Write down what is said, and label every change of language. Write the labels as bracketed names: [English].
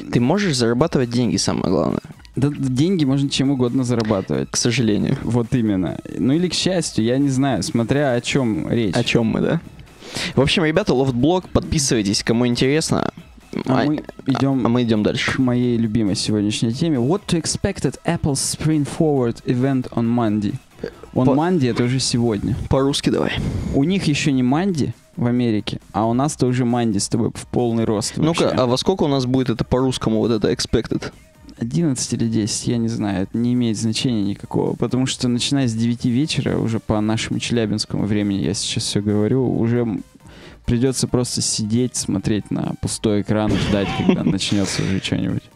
[Russian] Ты можешь зарабатывать деньги, самое главное. Да, деньги можно чем угодно зарабатывать. К сожалению. Вот именно. Ну или к счастью, я не знаю, смотря о чем речь. О чем мы, да? В общем, ребята, Loft-блог, подписывайтесь, кому интересно. Мы идем дальше. К моей любимой сегодняшней теме. [English] What to expect at Apple's Spring Forward event on Monday? [Russian] Monday — это уже сегодня. По-русски давай. У них еще не Monday в Америке, а у нас-то уже Monday с тобой в полный рост вообще. Ну-ка, а во сколько у нас будет это по-русскому, вот это expected? 11 или 10, я не знаю, это не имеет значения никакого, потому что начиная с 9 вечера, уже по нашему челябинскому времени, я сейчас все говорю, уже придется просто сидеть, смотреть на пустой экран и ждать, когда начнется уже что-нибудь.